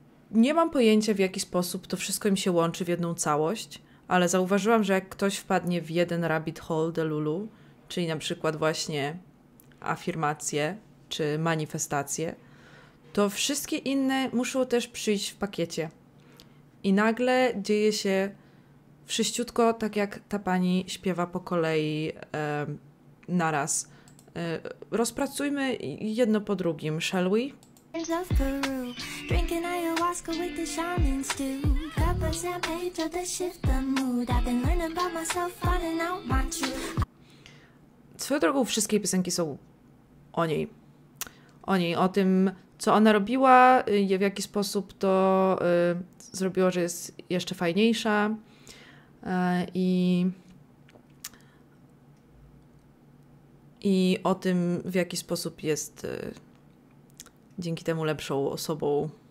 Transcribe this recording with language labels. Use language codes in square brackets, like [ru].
[pl] Nie mam pojęcia, w jaki sposób to wszystko im się łączy w jedną całość, ale zauważyłam, że jak ktoś wpadnie w jeden rabbit hole delulu, czyli na przykład właśnie afirmacje czy manifestacje, to wszystkie inne muszą też przyjść w pakiecie. I nagle dzieje się wszyściutko, tak jak ta pani śpiewa po kolei naraz. Rozpracujmy jedno po drugim, [en] shall we? Of Peru, drinking ayahuasca with the shaman stew. Cup of San Pedro to shift the mood. I've been learning about myself, finding out my truth. [pl] Swoją drogą, wszystkie piosenki są o niej. O niej, o tym, co ona robiła, w jaki sposób to zrobiło, że jest jeszcze fajniejsza. I o tym, w jaki sposób jest dzięki temu lepszą osobą.